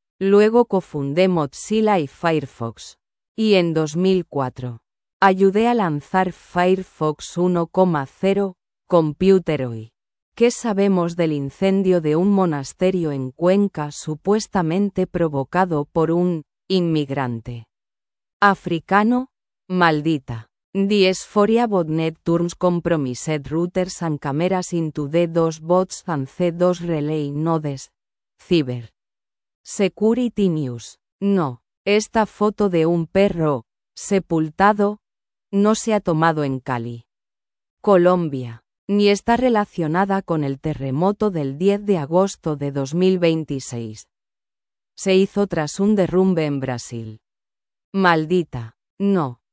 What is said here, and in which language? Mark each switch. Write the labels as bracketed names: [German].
[Spanish] Luego cofundé Mozilla y Firefox. Y en 2004, ayudé a lanzar Firefox 1.0, Computeroy. ¿Qué sabemos del incendio de un monasterio en Cuenca supuestamente provocado por un inmigrante africano? Maldita. [English] Diesforia botnet turns compromised routers and cameras into D2 bots and C2 relay nodes. Cyber. Security News. No. [Spanish] Esta foto de un perro sepultado no se ha tomado en Cali, Colombia, ni está relacionada con el terremoto del 10 de agosto de 2026. Se hizo tras un derrumbe en Brasil. Maldita. No.